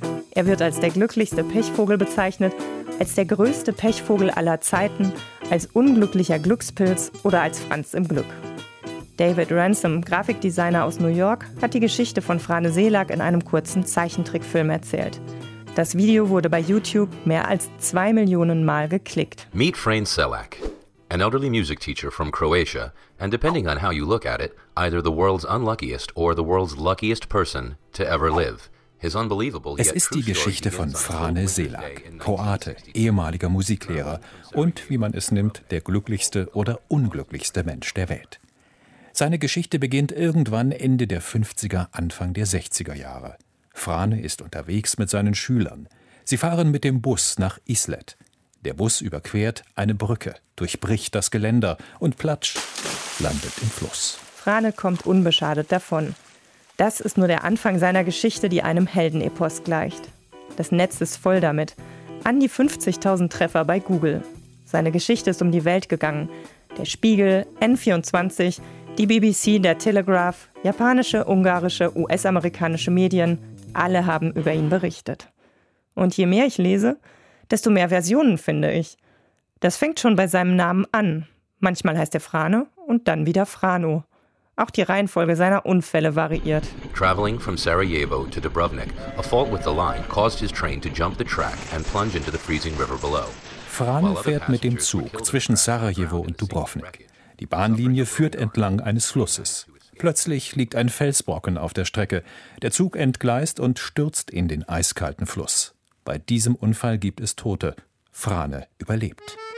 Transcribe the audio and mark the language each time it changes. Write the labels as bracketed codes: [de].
[de] Er wird als der glücklichste Pechvogel bezeichnet, als der größte Pechvogel aller Zeiten, als unglücklicher Glückspilz oder als Franz im Glück. David Ransom, Grafikdesigner aus New York, hat die Geschichte von Frane Selak in einem kurzen Zeichentrickfilm erzählt. Das Video wurde bei YouTube mehr als 2 Millionen Mal geklickt. [en] Meet Frane Selak, an elderly music teacher from Croatia, and depending on how you look at it, either the world's unluckiest or the world's luckiest person to ever live. [de] Es ist die Geschichte von Frane Selak, Kroate, ehemaliger Musiklehrer und, wie man es nimmt, der glücklichste oder unglücklichste Mensch der Welt. Seine Geschichte beginnt irgendwann Ende der 50er, Anfang der 60er Jahre. Frane ist unterwegs mit seinen Schülern. Sie fahren mit dem Bus nach Islet. Der Bus überquert eine Brücke, durchbricht das Geländer und platsch, landet im Fluss. Frane kommt unbeschadet davon. Das ist nur der Anfang seiner Geschichte, die einem Heldenepos gleicht. Das Netz ist voll damit. An die 50.000 Treffer bei Google. Seine Geschichte ist um die Welt gegangen. Der Spiegel, N24, die BBC, der Telegraph, japanische, ungarische, US-amerikanische Medien, alle haben über ihn berichtet. Und je mehr ich lese, desto mehr Versionen finde ich. Das fängt schon bei seinem Namen an. Manchmal heißt er Frane und dann wieder Frano. Auch die Reihenfolge seiner Unfälle variiert. [en] Traveling from Sarajevo to Dubrovnik, a fault with the line caused his train to jump the track and plunge into the freezing river below. [de] Frane fährt mit dem Zug zwischen Sarajevo und Dubrovnik. Die Bahnlinie führt entlang eines Flusses. Plötzlich liegt ein Felsbrocken auf der Strecke. Der Zug entgleist und stürzt in den eiskalten Fluss. Bei diesem Unfall gibt es Tote. Frane überlebt.